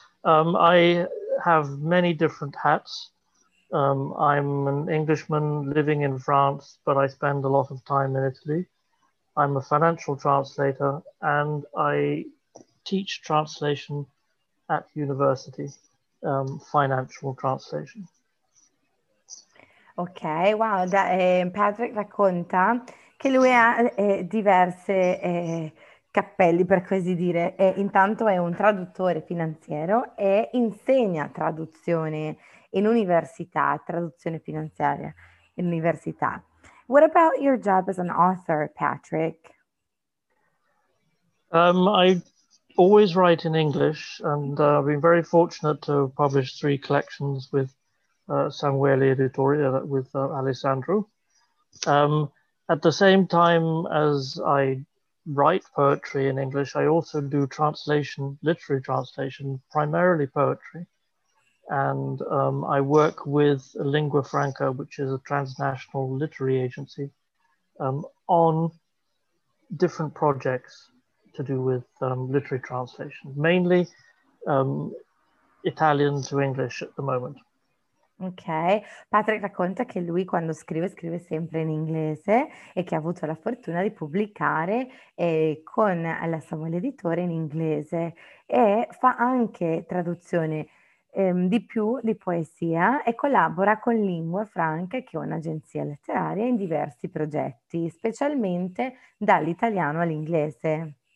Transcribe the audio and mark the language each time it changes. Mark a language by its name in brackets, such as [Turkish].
[English] I have many different hats. I'm an Englishman living in France, but I spend a lot of time in Italy. I'm a financial translator, and I teach translation at university, financial translation. [Italian] Ok, wow, Patrick racconta che lui ha diverse cappelli, per così dire. Intanto è un traduttore finanziario e insegna traduzione in università, traduzione finanziaria in università. [English] What about your job as an author, Patrick? I always write in English, and I've been very fortunate to publish three collections with Samuele Editore, with Alessandro. At the same time as I write poetry in English, I also do translation, literary translation, primarily poetry. And I work with Lingua Franca, which is a transnational literary agency, on different projects to do with literary translation, mainly Italian to English at the moment. [Italian] Ok, Patrick racconta che lui quando scrive, scrive sempre in inglese e che ha avuto la fortuna di pubblicare con la Samuele Editore in inglese e fa anche traduzione di più di poesia e collabora con Lingua Franca, che è un'agenzia letteraria, in diversi progetti, specialmente dall'italiano all'inglese.